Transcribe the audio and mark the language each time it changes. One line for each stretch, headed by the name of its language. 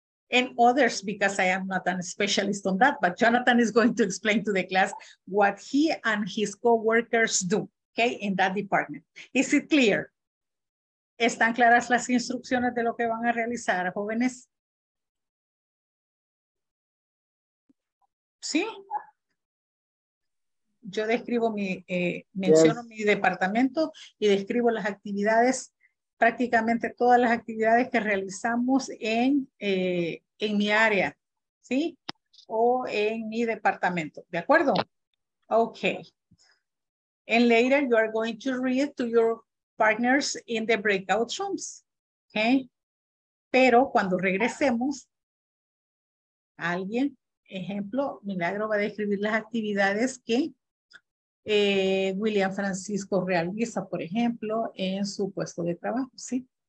English: And others, because I am not a specialist on that, but Jonathan is going to explain to the class what he and his coworkers do, okay, in that department. Is it clear?
Spanish: ¿Están claras las instrucciones de lo que van a realizar, jóvenes? ¿Sí? Yo describo menciono mi departamento y describo las actividades, prácticamente todas las actividades que realizamos en mi área, ¿sí? O en mi departamento, ¿de acuerdo? Ok.
English: And later you are going to read to your partners in the breakout rooms, okay?
Spanish: Pero cuando regresemos, alguien, ejemplo, Milagro va a describir las actividades que William Francisco realiza, por ejemplo, en su puesto de trabajo, ¿sí?